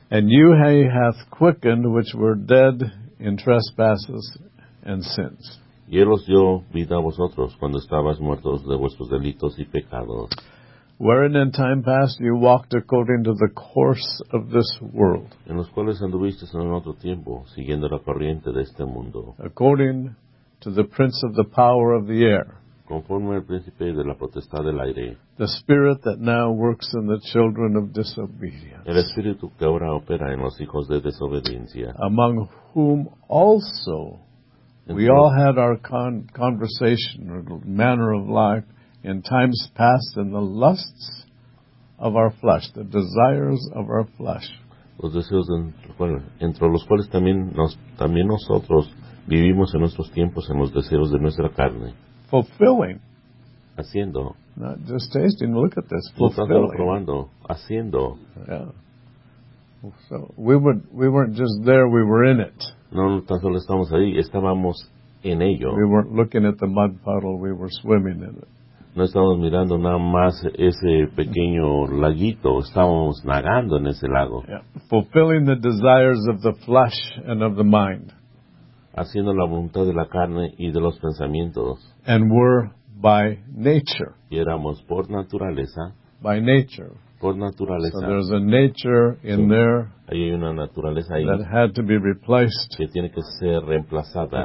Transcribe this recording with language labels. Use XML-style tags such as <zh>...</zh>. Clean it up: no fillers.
<en>And you he hath quickened which were dead in trespasses and sins.</en> <es>Y él os dio vida a vosotros cuando estabas muertos de vuestros delitos y pecados.</es> <en>Wherein in time past you walked according to the course of this world.</en> <es>En los cuales anduvisteis en otro tiempo, siguiendo la corriente de este mundo.</es> <en>According to the prince of the power of the air.</en> <es>Conforme al príncipe de la potestad del aire.</es> <en>The spirit that now works in the children of disobedience.</en> <es>El espíritu que ahora opera en los hijos de desobediencia.</es> <en>Among whom also we all had our conversation or manner of life. In times past, in the lusts of our flesh, the desires of our flesh.</en> <es>Los deseos entre los cuales también nosotros vivimos en nuestros tiempos en los deseos de nuestra carne.</es> <en>Fulfilling.</en> <es>Haciendo.</es> <en>Not just tasting. Look at this. Fulfilling.</en> <es>Probando. Haciendo.</es> <en>Yeah. So we weren't just there. We were in it.</en> <es>No, tan solo estamos ahí. Estábamos en ello.</es> <en>We weren't looking at the mud puddle. We were swimming in it.</en> <es>No estamos mirando nada más ese pequeño laguito, estamos nadando en ese lago.</es> <en>Yeah. Fulfilling the desires of the flesh and of the mind.</en> <es>Haciendo la voluntad de la carne y de los pensamientos.</es> <en>And we're by nature.</en> <es>Y éramos por naturaleza.</es> <en>By nature.</en> <es>Por naturaleza.</es> <en>So there's a nature in there.</en> <es>Ahí hay una naturaleza ahí.</es> <en>That had to be replaced.</en> <es>Que tiene que ser reemplazada.</es>